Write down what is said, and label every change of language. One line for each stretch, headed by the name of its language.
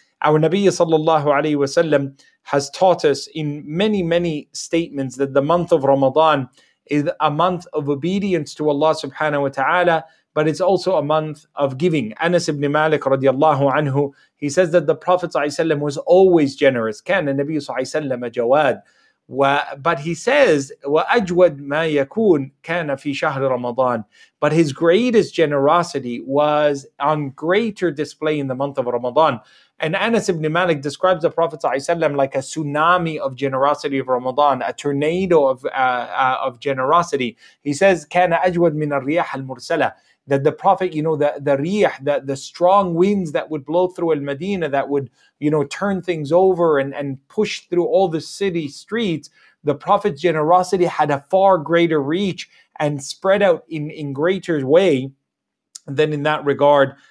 English: Our Nabi sallallahu alayhi wa sallam has taught us in many, many statements that the month of Ramadan is a month of obedience to Allah subhanahu wa ta'ala, but it's also a month of giving. Anas ibn Malik radiallahu anhu, he says that the Prophet ﷺ was always generous.
Arabic: كان النبي صلى الله عليه وسلم جواد.
English: But he says,
Arabic: وَأَجْوَدْ مَا يَكُونْ كَانَ فِي شَهْرِ رَمَضَانِ.
English: But his greatest generosity was on greater display in the month of Ramadan. And Anas ibn Malik describes the Prophet ﷺ like a tsunami of generosity of Ramadan, a tornado of generosity. He says,
Arabic: كَانَ أَجْوَدْ مِنَ الرِّيَاحَ الْمُرْسَلَةِ.
English: That the Prophet, you know, the riyah, the strong winds that would blow through Al-Madinah, that would, you know, turn things over and push through all the city streets, the Prophet's generosity had a far greater reach and spread out in greater way than in that regard.